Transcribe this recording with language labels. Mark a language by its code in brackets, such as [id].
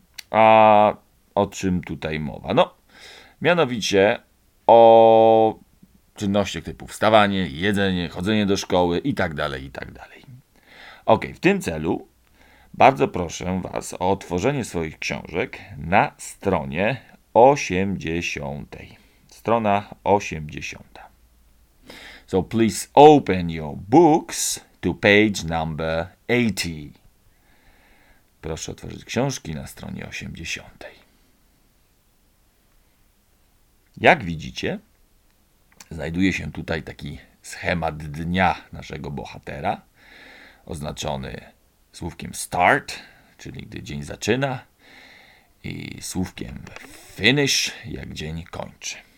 [pl] A o czym tutaj mowa? No, mianowicie o czynnościach typu wstawanie, jedzenie, chodzenie do szkoły i tak dalej, i tak dalej. Okej, w tym celu bardzo proszę Was o otworzenie swoich książek na stronie 80. Strona 80. [en] So please open your books to page number 80. [pl] Proszę otworzyć książki na stronie 80. Jak widzicie, znajduje się tutaj taki schemat dnia naszego bohatera, oznaczony słówkiem start, czyli gdy dzień zaczyna, i słówkiem finish, jak dzień kończy.